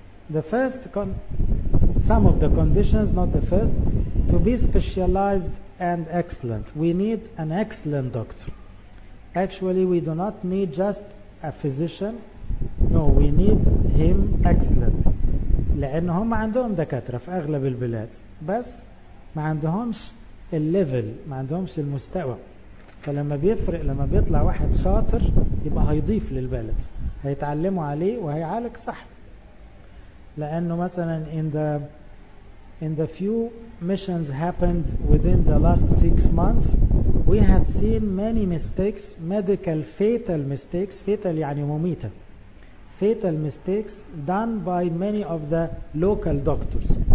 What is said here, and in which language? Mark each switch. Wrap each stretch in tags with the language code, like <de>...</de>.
<en>The first some of the conditions, not the first, to be specialized and excellent. We need an excellent doctor. Actually, we do not need just a physician. No, we need him excellent.</en> <ar>لأن هم عندهم دكاترة في أغلب البلاد. بس ما عندهمش الليفل، ما عندهمش المستوى. فلما بيفرق لما بيطلع واحد شاطر يبقى هيضيف للبلد. هيتعلموا عليه وهيعالج صح. لأنه مثلا</ar> <en>in the few missions happened within the last 6 months, we had seen many mistakes, medical fatal mistakes, fatal</en> <ar>يعني مميتة,</ar> <en>fatal mistakes done by many of the local doctors.</en>